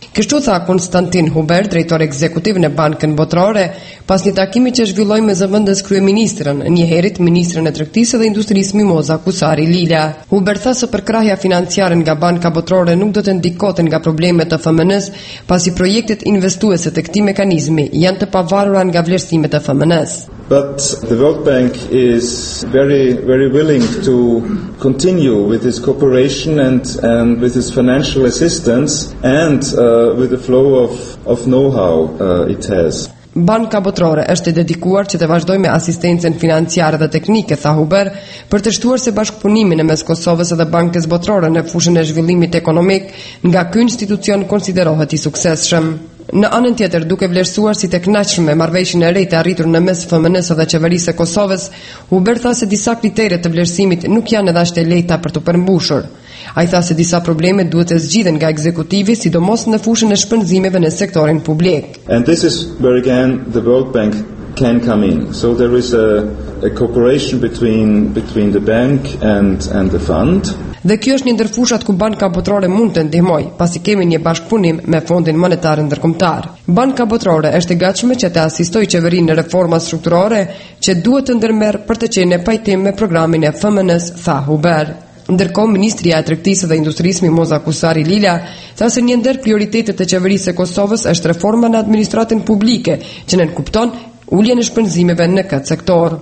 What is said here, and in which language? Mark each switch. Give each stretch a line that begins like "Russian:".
Albanian: Kështu tha Konstantin Huber, drejtor ekzekutiv në Bankën Botërore, pas një takimi që zhvilloi me zëvendës kryeministrën, një herit ministren e tregtisë dhe industrisë Mimoza Kusari Lila. Huber tha se përkrahja financiare nga Banka Botërore nuk do të ndikohet nga problemet të FMN-s, pasi projektet investuese të këtij mekanizmi janë të pavarura nga vlerësimet e FMN-s.
English: But the World Bank is very, very willing to continue with its cooperation and with its financial assistance and with the flow of know-how it has.
Albanian: Banka Botërore është e dedikuar që të vazhdoj me asistencen financiare dhe teknike, tha Huber, për të shtuar se bashkëpunimin e mes Kosovës edhe Bankës Botërore në fushën e zhvillimit ekonomik nga ky institucion konsiderohet I suksesshëm. Në anën tjetër, duke vlerësuar si të kënaqshëm me marrëveshjen e re të arritur në mes FMN-s dhe qeverisë së Kosovës, Huber tha se disa kriteret të vlerësimit nuk janë edhe as të lehta për të përmbushur. Ai tha se disa probleme duhet të zgjidhen nga ekzekutivi, sidomos në fushën e shpenzimeve në sektorin publik.
English: And this is where again the World Bank can come in. So there is a cooperation between the bank and the fund.
Albanian: Dhe kjo është një ndër fushat ku Banka Botërore mund të ndihmojë, pasi kemi një bashkëpunim me Fondin Monetar Ndërkombëtar. Banka Botërore është e gatshme që të asistojë qeverinë në reforma strukturore që duhet të ndërmerr për të qenë pajtim me programin e FMN-s, tha Huber. Ndërkohë, ministria e Tregtisë dhe Industrisë Moza Kusari Lila tha se një ndër prioritetet e qeverisë së Kosovës është reforma në administratën publike, që nënkupton ulje në shpenzimeve në këtë sektor.